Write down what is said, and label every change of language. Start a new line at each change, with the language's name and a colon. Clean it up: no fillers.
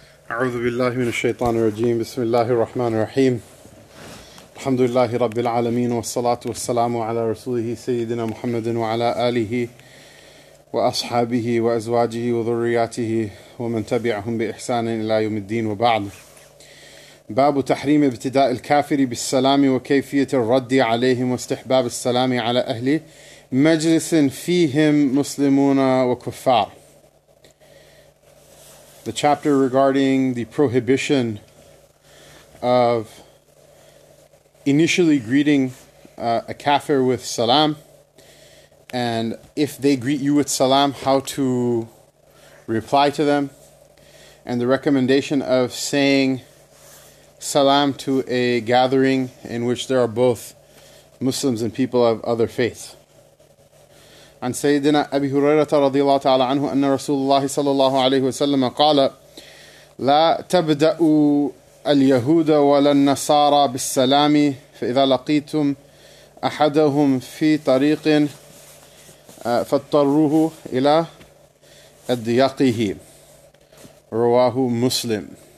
Arabic: أعوذ بالله من الشيطان الرجيم بسم الله الرحمن الرحيم الحمد لله رب العالمين والصلاة والسلام على رسوله سيدنا محمد وعلى آله وأصحابه وأزواجه وذرياته ومن تبعهم بإحسان إلى يوم الدين وبعد باب تحريم ابتداء الكافر بالسلام وكيفية الرد عليهم واستحباب السلام على أهل مجلس فيهم مسلمون وكفار.
English: The chapter regarding the prohibition of initially greeting a kafir with salam, and if they greet you with salam, how to reply to them, and the recommendation of saying salam to a gathering in which there are both Muslims and people of other faiths.
Arabic: عن سيدنا أبي هريرة رضي الله تعالى عنه أن رسول الله صلى الله عليه وسلم قال لا تبدأوا اليهود ولا النصارى بالسلام فإذا لقيتم أحدهم في طريق فاضطروه إلى أضيقه رواه مسلم.